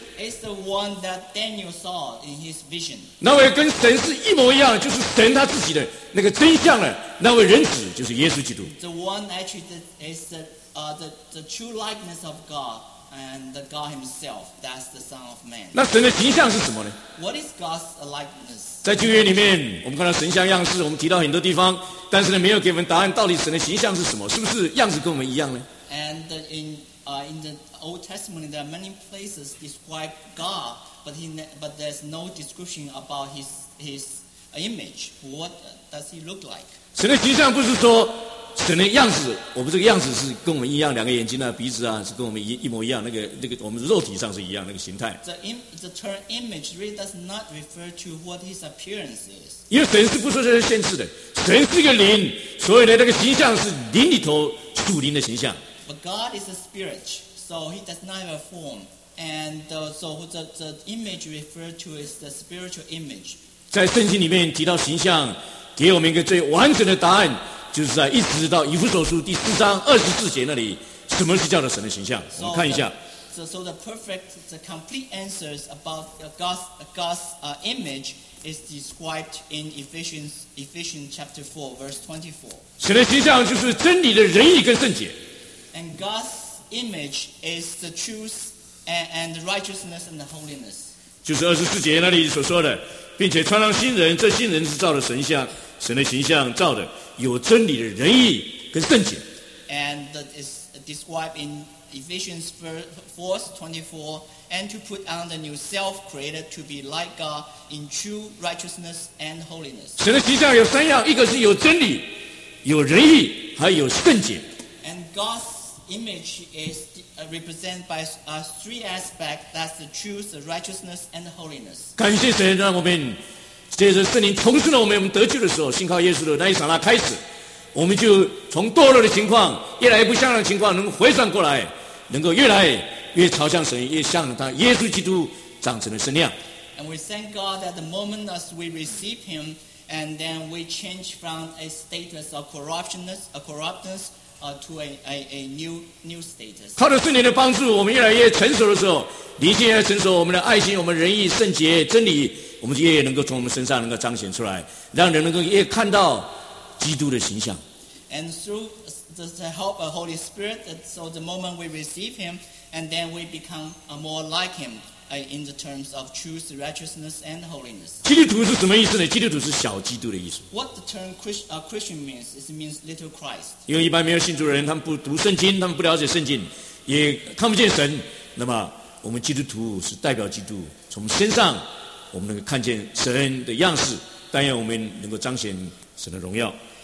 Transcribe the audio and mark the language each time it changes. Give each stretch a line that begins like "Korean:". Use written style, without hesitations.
English: It's the one that Daniel saw in his vision.
Chinese: 那位跟神是一模一样，就是神他自己的那个真相了。那位人子就是耶稣基督。
English: The one actually that is the true likeness of God and the God Himself. That's the Son of Man.
Chinese: 那神的形象是什么呢
English: ？What is God's likeness?
Chinese: 在旧约里面，我们看到神像样式，我们提到很多地方，但是呢，没有给我们答案，到底神的形象是什么？是不是样子跟我们一样呢
English: ？And in the Old Testament, there are many places describe God, but there's no description about his image. What does he look like?
Chinese: 神的形象不是说神的样子，我们这个样子是跟我们一样，两个眼睛啊、鼻子啊，是跟我们一模一样。那个我们肉体上是一样那个形态。
English: The term image really does not refer to what his appearance is.
Chinese: 因为神是不受这些限制的，神是个灵，所以呢，那个形象是灵里头属灵的形象。
English: But God is a spirit, so he does not have a form, and so the image referred to is the spiritual image.
Chinese: 在圣经里面提到形象，给我们一个最完整的答案，就是在一直到以弗所书第四章二十四节那里，什么是叫做神的形象？
English: So、
Chinese: 我们看一下。
English: So the perfect, the complete answers about God's image is described in Ephesians chapter 4, verse 24.
Chinese: 神的形象就是真理的仁义跟圣洁。
English: And God's image is the truth and righteousness and the holiness.
Chinese: 就是二十四节那里所说的，并且穿上新人，这新人是照着神像、神的形象照的，有真理的仁义跟圣洁。
English: And it's described in Ephesians 4:24, and to put on the new self created to be like God in true righteousness and holiness.
Chinese: 神的形象有三样，一个是有真理、有仁义，还有圣洁。
English: And God's image is represented by three aspects, that's the truth, the righteousness, and the holiness.
Chinese: 感谢神让我们借着圣灵重塑了我们得救的时候，信靠耶稣的那一刹那开始，我们就从堕落的情况，越来越不像样的情况，能够回转过来，能够越来越朝向神，越像他耶稣基督长成的身量。
English: And we thank God that the moment as we receive him, and then we change from a status of corruptness,to a new status.
Chinese: 靠着圣灵的帮助，我们越来越成熟的时候，灵性越成熟，我们的爱心、我们仁义、圣洁、真理，我们就越能够从我们身上能够彰显出来，让人能够越看到基督的形象。
English: And through the help of Holy Spirit, so the moment we receive Him, and then we become more like Him in the terms of truth, righteousness, and holiness.
Chinese: 基督徒是什么意思呢？基督徒是小基督的意思。
English: What the term Christian means is it means little Christ.
Chinese: 因为一般没有信主的人，他们不读圣经，他们不了解圣经，也看不见神。那么我们基督徒是代表基督，从身上我们能够看见神的样式，但愿我们能够彰显神的荣耀。